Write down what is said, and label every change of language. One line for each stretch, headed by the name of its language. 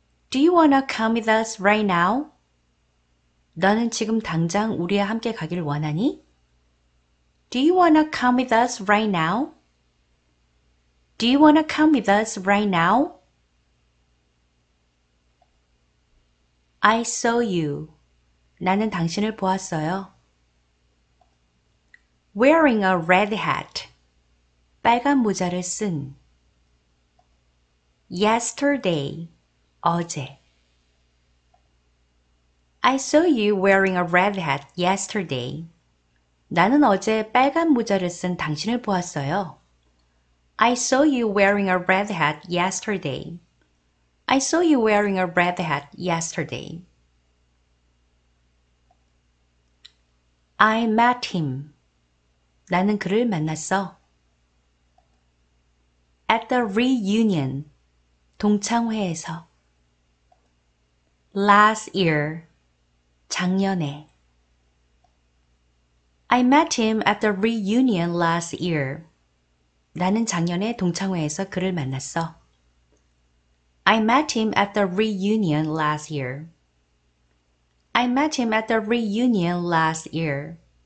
English: Do you wanna come with us right now?
Korean: 너는 지금 당장 우리와 함께 가길 원하니?
English: Do you wanna come with us right now? Do you wanna come with us right now? I saw you.
Korean: 나는 당신을 보았어요.
English: Wearing a red hat.
Korean: 빨간 모자를 쓴.
English: Yesterday.
Korean: 어제.
English: I saw you wearing a red hat yesterday.
Korean: 나는 어제 빨간 모자를 쓴 당신을 보았어요.
English: I saw you wearing a red hat yesterday. I saw you wearing a red hat yesterday. I met him.
Korean: 나는 그를 만났어.
English: At the reunion.
Korean: 동창회에서.
English: Last year.
Korean: 작년에.
English: I met him at the reunion last year.
Korean: 나는 작년에 동창회에서 그를 만났어.
English: I met him at the reunion last year. I met him at the reunion last year.